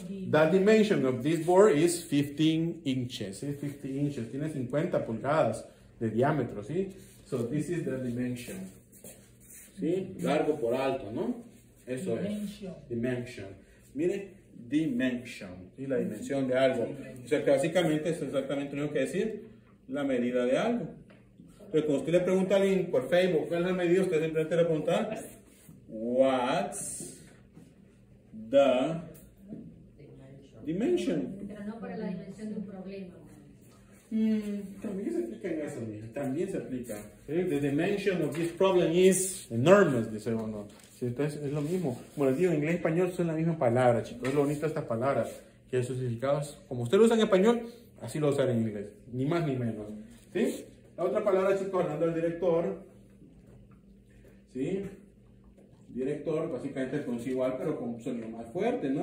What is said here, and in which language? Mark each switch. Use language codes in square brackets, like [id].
[en] the dimension of this board is 15 inches. ¿Sí? 15 inches. [es] Tiene 50 pulgadas de diámetro, ¿sí? [en] So, this is the dimension. [es] ¿Sí? Largo por alto, ¿no? Eso [en] dimension. [es] Es. Dimension. Miren. Dimension, ¿sí? La dimensión de algo. O sea que básicamente es exactamente lo mismo que decir la medida de algo. Entonces, cuando usted le pregunta a alguien por Facebook, ¿cuál es la medida? Usted simplemente le pregunta, [en] what's the dimension? [es] Pero no para la dimensión de un problema. También se aplica en eso, mira. También se aplica. ¿Sí? [en] The dimension of this problem is enormous, [es] dice uno. Sí, entonces es lo mismo. Bueno, digo, en inglés y español son la misma palabra, chicos. Es lo bonito de estas palabras. Que sus significados, como usted lo usa en español, así lo usa en inglés. Ni más ni menos. ¿Sí? La otra palabra, chicos, hablando del director. ¿Sí? Director, básicamente es con sí igual, pero con un sonido más fuerte, ¿no?